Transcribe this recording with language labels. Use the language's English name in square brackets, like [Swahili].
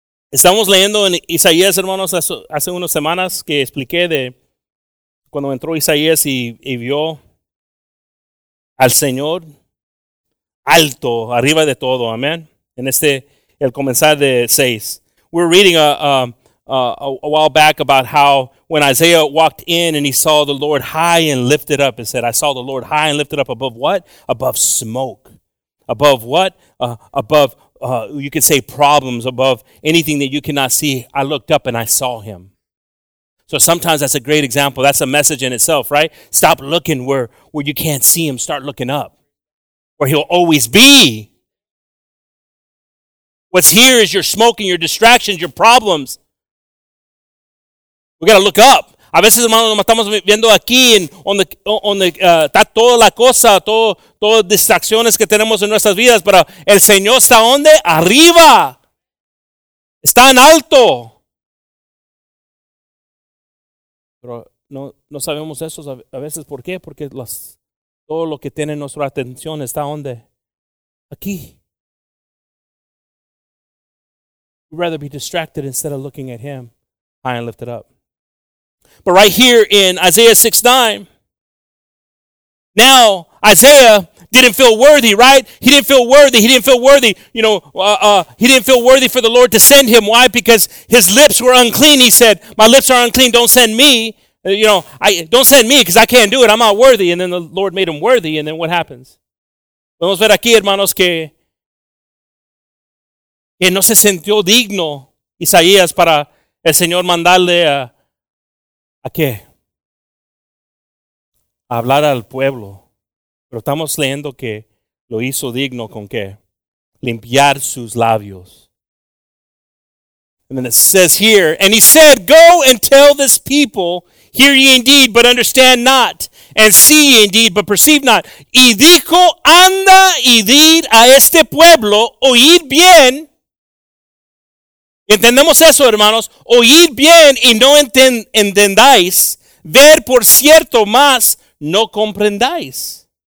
[Spanish] Estamos leyendo en Isaías, hermanos, hace unas semanas que expliqué de cuando entró Isaías y vio al Señor alto, arriba de todo, amén. En este, el comenzar de 6. [English] We're reading a while back about how when Isaiah walked in and he saw the Lord high and lifted up, and said, I saw the Lord high and lifted up above what? Above smoke. Above what? Above you could say problems, above anything that you cannot see. I looked up and I saw him. So sometimes that's a great example. That's a message in itself, right? Stop looking where you can't see him. Start looking up where he'll always be. What's here is your smoke and your distractions, your problems. We got to look up. [Spanish] A veces, hermanos, nos estamos viendo aquí en donde está toda la cosa, todas las distracciones que tenemos en nuestras vidas, pero el Señor está ¿dónde? Arriba. Está en alto. Pero no sabemos eso a veces. ¿Por qué? Porque todo lo que tiene nuestra atención está ¿dónde? Aquí. [English] We'd rather be distracted instead of looking at him high and lifted up. But right here in Isaiah 6, 9, now Isaiah didn't feel worthy, right? He didn't feel worthy. He didn't feel worthy. You know, he didn't feel worthy for the Lord to send him. Why? Because his lips were unclean. He said, my lips are unclean. Don't send me. You know, don't send me because I can't do it. I'm not worthy. And then the Lord made him worthy. And then what happens? [Spanish] Vamos a ver aquí, hermanos, que no se sintió digno Isaías para el Señor mandarle a ¿a qué? A hablar al pueblo. Pero estamos leyendo que lo hizo digno con qué? Limpiar sus labios. [English] And then it says here, and he said, go and tell this people, hear ye indeed, but understand not, and see ye indeed, but perceive not. [Spanish] Y dijo, anda y di a este pueblo, oíd bien, Entendemos eso, hermanos. Oír bien y no entendáis. Ver, por cierto, más no comprendáis.